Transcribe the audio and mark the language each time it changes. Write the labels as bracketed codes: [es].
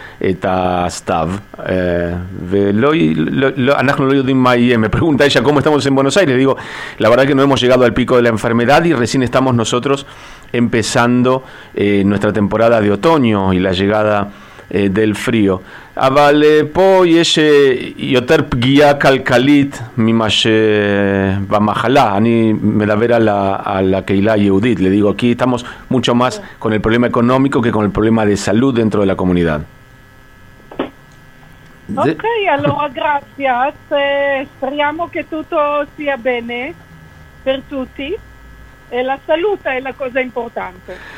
[he] את הסתיו, ולא, לא, לא, אנחנו לא יודעים מה יהיה. [es] Me pregunta ella cómo estamos en Buenos Aires. Digo, la verdad que no hemos llegado al pico de la enfermedad y recién estamos nosotros empezando nuestra temporada de otoño y la llegada del frío. [he] אבל פה יש יותר פגיעה כלכלית ממה שבמחלה. אני מדבר על הקהילה היהודית, לדיגו, כי [es] estamos mucho más con el problema económico que con el problema de salud dentro de la comunidad. [it] Okay, allora grazie. Speriamo che tutto sia bene per tutti. E la salute è la cosa importante.